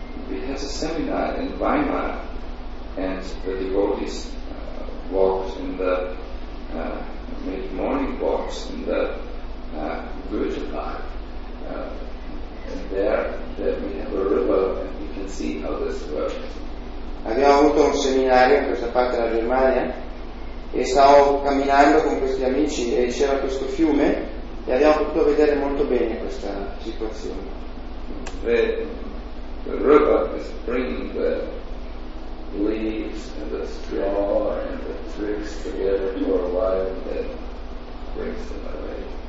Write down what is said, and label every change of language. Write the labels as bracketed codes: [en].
[en] We had a seminar in Weimar and the devotees walked in the made morning walks in the Goethe Park, and there we have a river and we can see how this works. [it] Abbiamo avuto un seminario in questa parte della Germania e stavo camminando con questi amici e c'era questo fiume e abbiamo potuto vedere molto bene questa situazione. [en] The river is bringing the leaves and the straw and the twigs together for a while and then brings them away.